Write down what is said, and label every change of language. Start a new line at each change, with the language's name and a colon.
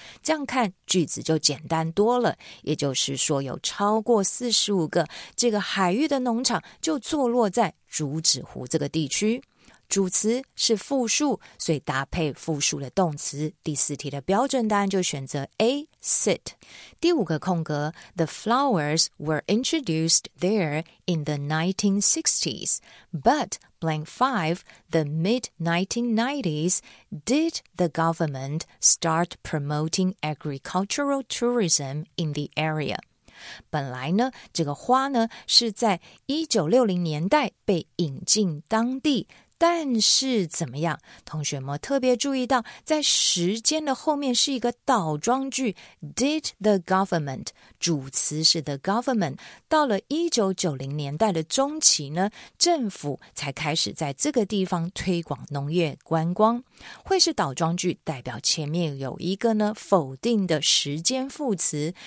Chinese: 这样看句子就简单多了，也就是说有超过45个这个海域的农场就坐落在竹子湖这个地区。主词是复数，所以搭配复数的动词。第四题的标准答案就选择 A, sit。第五个空格，
English: The flowers were introduced there in the 1960s, but blank 5, the mid-1990s, did the government start promoting agricultural tourism in the area?
Chinese: 本来呢这个花呢是在1960年代被引进当地，但是怎么样，同学们特别注意到在时间的后面是一个倒装句，
English: Did the government，
Chinese: 主词是 the government， 到了1990年代的中期呢，政府才开始在这个地方推广农业观光，会是倒装句代表前面有一个呢否定的时间副词。